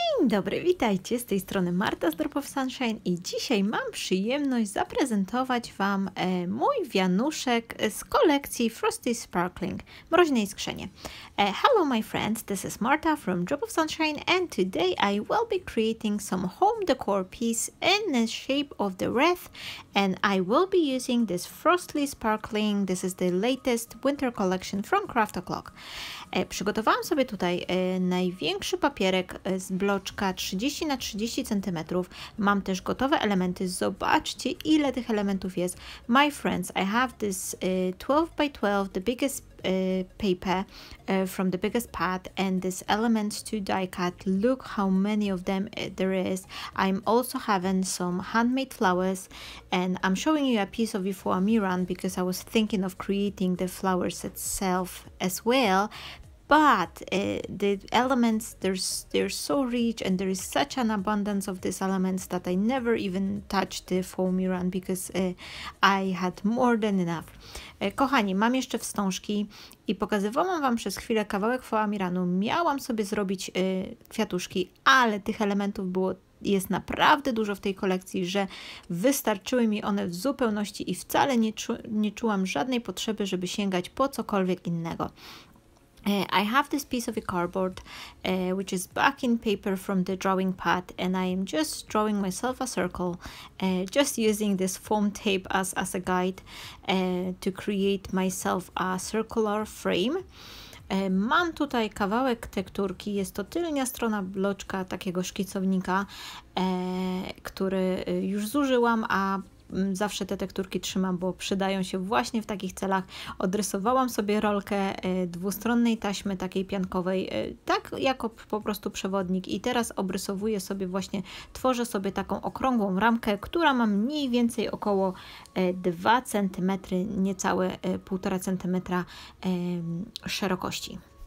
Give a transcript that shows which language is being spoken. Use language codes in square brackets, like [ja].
[pl] dobry, witajcie, z tej strony Marta z Drop of Sunshine i dzisiaj mam przyjemność zaprezentować Wam mój wianuszek z kolekcji Frosty Sparkling, mroźne iskrzenie. [en] Hello my friends, this is Marta from Drop of Sunshine and today I will be creating some home decor piece in the shape of the wreath and I will be using this Frosty Sparkling, this is the latest winter collection from Craft O'Clock. [pl] Przygotowałam sobie tutaj największy papierek z bloczka 30x30 cm. Mam też gotowe elementy. Zobaczcie, ile tych elementów jest. [en] My friends, I have this 12x12, the biggest paper from the biggest pad and this elements to die cut. Look how many of them there is. I'm also having some handmade flowers and I'm showing you a piece of Ifua Miran because I was thinking of creating the flowers itself as well. But the elements, they're so rich and there is such an abundance of these elements that I never even touched the foam iron because I had more than enough. [pl] Kochani, mam jeszcze wstążki i pokazywałam Wam przez chwilę kawałek foam iranu. Miałam sobie zrobić kwiatuszki, ale tych elementów było jest naprawdę dużo w tej kolekcji, że wystarczyły mi one w zupełności i wcale nie czułam żadnej potrzeby, żeby sięgać po cokolwiek innego. [en] I have this piece of a cardboard which is backing paper from the drawing pad and I am just drawing myself a circle just using this foam tape as a guide to create myself a circular frame. [pl] Mam tutaj kawałek tekturki, jest to tylnia strona bloczka takiego szkicownika, który już zużyłam, a zawsze te tekturki trzymam, bo przydają się właśnie w takich celach. Odrysowałam sobie rolkę dwustronnej taśmy takiej piankowej, tak jako po prostu przewodnik i teraz obrysowuję sobie właśnie, tworzę sobie taką okrągłą ramkę, która ma mniej więcej około 2 cm, niecałe 1,5 cm szerokości.